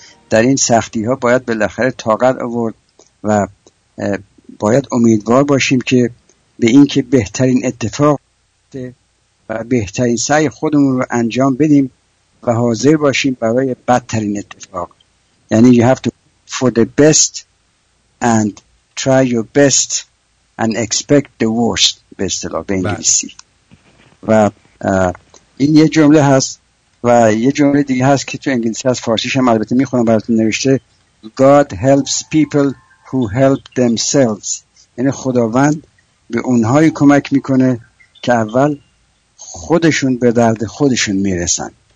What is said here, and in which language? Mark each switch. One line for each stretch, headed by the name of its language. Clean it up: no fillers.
Persian: در این سختی ها باید بالاخره طاقت آورد و باید امیدوار باشیم که به این که بهترین اتفاق و بهترین سعی خودمون رو انجام بدیم و حاضر باشیم برای بدترین اتفاق. یعنی
English: you have to for the best and try your best and expect the worst.
Persian: به اصطلاح به انگلیسی. و این یه جمله هست و یه جمله دیگه هست که تو انگلیسی هست، فارسیش هم البته میخونم براتون، نوشته
English: God helps people who help themselves.
Persian: یعنی خداوند به اونهایی کمک میکنه که اول خودشون به درد خودشون میرسن.